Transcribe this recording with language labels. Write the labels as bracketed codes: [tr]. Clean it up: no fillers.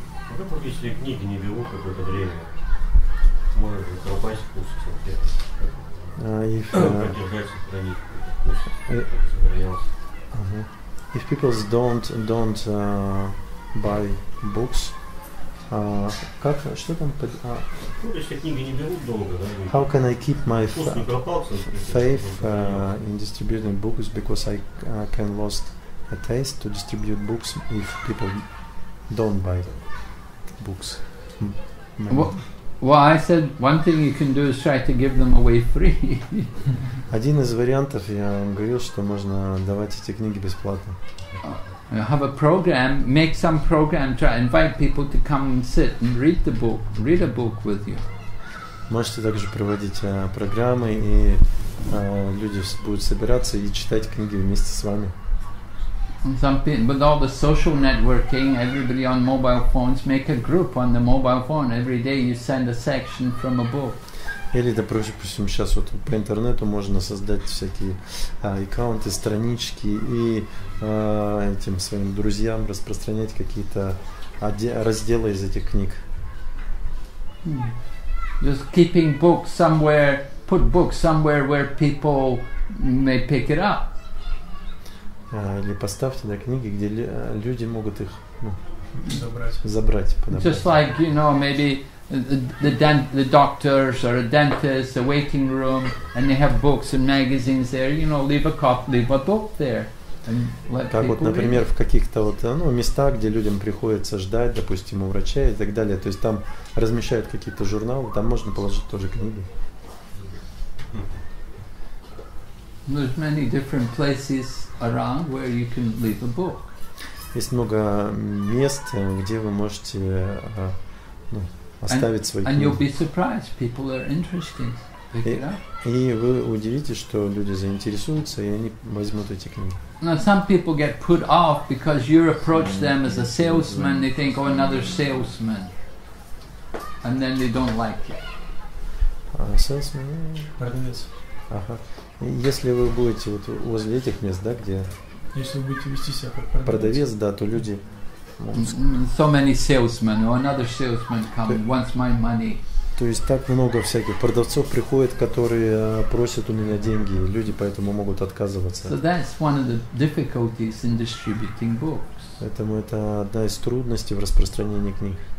[ru] Ну, допустим, если книги не берут какое-то время, может быть, пропасть вкус в себе, продержать, сохранить вкус, сохранялся. [en] If people don't buy books, [ru] как что там? Ну, если книги не берут долго, да? [en] How can I keep my faith in distributing books, because I can lost a taste to distribute books if people don't buy books? Well, I said one thing you can do is try to give them away free. [ru] Один из вариантов, я вам говорил, что можно давать эти книги бесплатно. [en] Have a program, make some program, try invite people to come and sit and read a book with you. [ru] Можете также проводить программы, и люди будут собираться и читать книги вместе с вами. [en] With all the social networking, everybody on mobile phones, make a group on the mobile phone. Every day you send a section from a book. [ru] Или, допустим, сейчас вот по интернету можно создать всякие аккаунты, странички и этим своим друзьям распространять какие-то разделы из этих книг. [en] Just keeping books somewhere, put books somewhere where people may pick it up. [ru] Или поставьте, да, книги, где люди могут их забрать, подобрать. [en] Just like, you know, maybe the doctors or a dentist, a waiting room, and they have books and magazines there, you know, leave a book there. [ru] Как вот, например, в каких-то вот местах, где людям приходится ждать, допустим, у врача и так далее, то есть там размещают какие-то журналы, там можно положить тоже книги. [en] There's many different places around where you can leave a book. [ru] Есть много мест, где вы можете оставить свои книги. [en] And you'll be surprised, people are interested. [ru] И вы удивитесь, что люди заинтересуются, и они возьмут эти книги. [en] Now some people get put off because you approach them as a salesman, they think, oh, another salesman. And then they don't like it. Salesman? [ru] Продавец. Ага. Если вы будете вот возле этих мест, да, где... Если вы будете вести себя как продавец. Продавец, да, то люди... [en] So many salesmen, or another salesman come, wants my money. [ru] То есть так много всяких продавцов приходит, которые просят у меня деньги, и люди поэтому могут отказываться. [en] So that's one of the difficulties in distributing books. [ru] Поэтому это одна из трудностей в распространении книг.